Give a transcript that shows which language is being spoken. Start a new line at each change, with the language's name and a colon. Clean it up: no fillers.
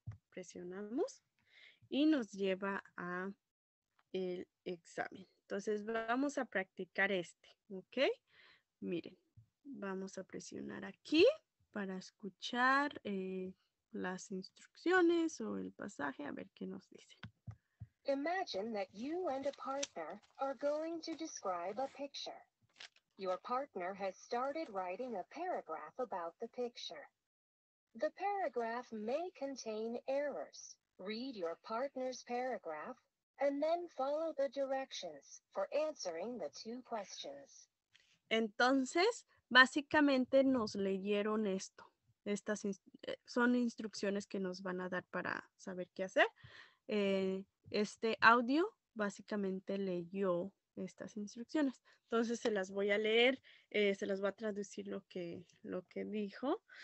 Spanish: Presionamos y nos lleva a el examen. Entonces vamos a practicar este, okay? Miren, vamos a presionar aquí para escuchar las instrucciones o el pasaje, a ver qué nos dice.
English: Imagine that you and a partner are going to describe a picture. Your partner has started writing a paragraph about the picture. The paragraph may contain errors. Read your partner's paragraph and then follow the directions for answering the two questions.
Spanish: Entonces, básicamente nos leyeron esto. Estas son instrucciones que nos van a dar para saber qué hacer. Este audio básicamente leyó estas instrucciones. Entonces se las voy a leer, se las voy a traducir lo que dijo.